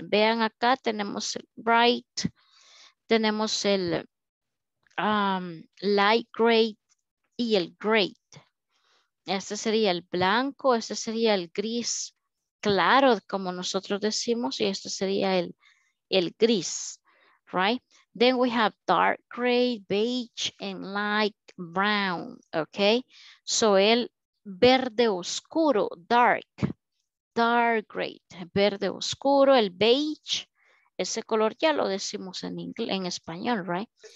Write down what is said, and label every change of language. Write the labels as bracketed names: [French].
[Spanish] Vean acá, tenemos el bright, tenemos el light gray y el gray. Este sería el blanco, este sería el gris claro, como nosotros decimos, y este sería el gris, right? [English] Then we have dark gray, beige, and light brown, okay? [Spanish] So el verde oscuro, dark, dark gray, verde oscuro, el beige, ese color ya lo decimos en inglés, en español, right?